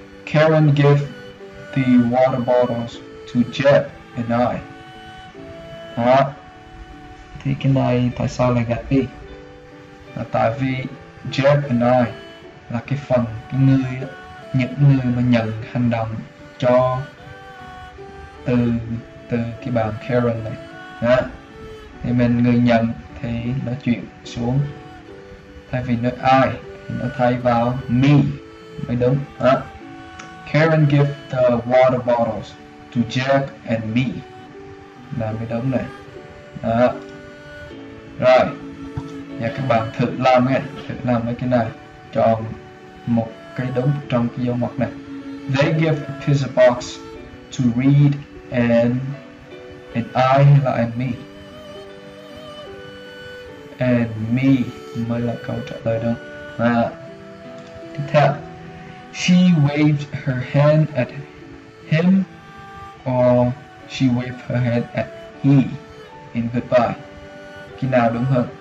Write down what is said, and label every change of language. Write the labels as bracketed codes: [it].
[en] Karen give the water bottles to Jeb and I. [vi] Đó. Thì cái này tại sao lại gạch đi? Là tại vì Jeb and I là cái phần, cái người, những người mà nhận hành động cho từ cái bàn Karen này. Đó. Thì mình người nhận thì nó chuyển xuống, thay vì nó I thì nó thay vào me mới đúng. Đó. [en] Karen give the water bottles to Jack and me. [vi] Là mới đúng này. Đó. Rồi. Và các bạn thử làm nha. Thử làm mấy cái này. Chọn một cái đúng trong cái dấu mặt này. [en] They give a pizza box to Reed and I [vi] hay là [en] and me? [vi] And me mới là câu trả lời đúng. Tiếp theo. [en] She waved her hand at him or she waved her hand at he in goodbye. [vi] Cái nào đúng hơn?